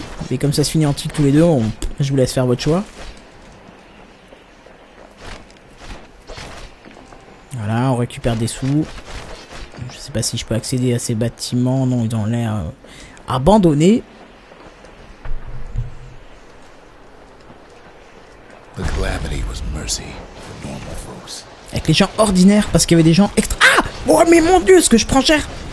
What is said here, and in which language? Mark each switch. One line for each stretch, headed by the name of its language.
French: Mais comme ça se finit en tic tous les deux, je vous laisse faire votre choix. Voilà, on récupère des sous. Je sais pas si je peux accéder à ces bâtiments. Non, ils ont l'air abandonnés.
English: The calamity was mercy for normal folks.
French: Avec les gens ordinaires, parce qu'il y avait des gens extra... Oh mais mon dieu, ce que je prends cher.